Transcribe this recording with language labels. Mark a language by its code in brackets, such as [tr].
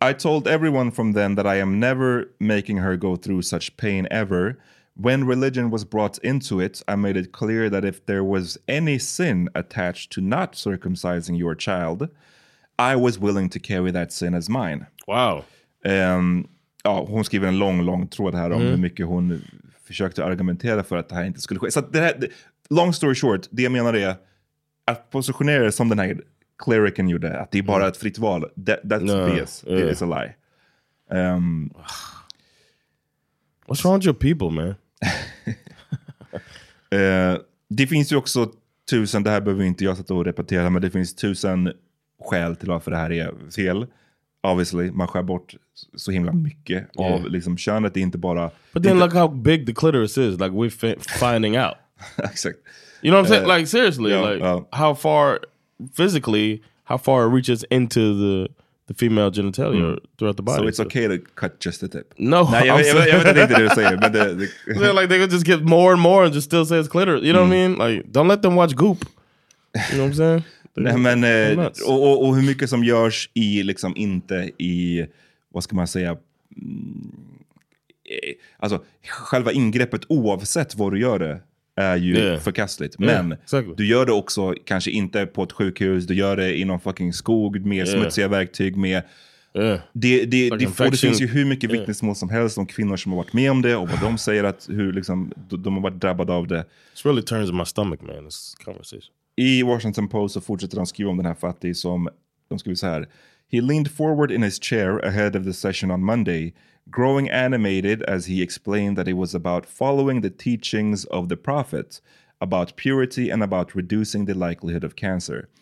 [en] I told everyone from then that I am never making her go through such pain ever. When religion was brought into it, I made it clear that if there was any sin attached to not circumcising your child, I was willing to carry that sin as mine. Wow. [sv] Hon skriver en lång, lång tråd här om hur mycket hon... försökte argumentera för att det här inte skulle ske. Så det här, [en] long story short, [sv] det jag menar är att positionera som den här clericen gjorde, att det är bara ett fritt val, [en] that's BS. Yeah. It is a lie. What's wrong with your people, man? [sv] Det finns ju också tusen, det här behöver inte jag sätta och repetera, men det finns tusen skäl till varför det här är fel. Obviously, man skär bort så himla mycket av liksom könet. Det är inte bara... [en] But then look how big the clitoris is. Like, we're finding out. Exactly. You know what I'm saying? Like, seriously. Yeah, like, how far, physically, how far it reaches into the female genitalia throughout the body. So it's okay to cut just the tip. No. I'm saying, like, they could just get more and more and just still say it's clitoris. You know what I mean? Like, don't let them watch Goop. You know what I'm saying? [sv] Nej, men, och hur mycket som görs i liksom inte i, vad ska man säga, alltså själva ingreppet oavsett vad du gör det, är ju förkastligt. Men du gör det också, kanske inte på ett sjukhus, du gör det i någon fucking skog med smutsiga verktyg, med det finns ju hur mycket vittnesmål som helst om kvinnor som har varit med om det och vad de säger, att hur liksom de har varit drabbade av det. [en] It really turns my stomach, man, this conversation. [sv] I Washington Post så fortsätter de skriva om den här fattig som, de skriver så här: [en] he leaned forward in his chair ahead of the session on Monday, growing animated as he explained that it was about following the teachings of the prophet about purity and about reducing the likelihood of cancer.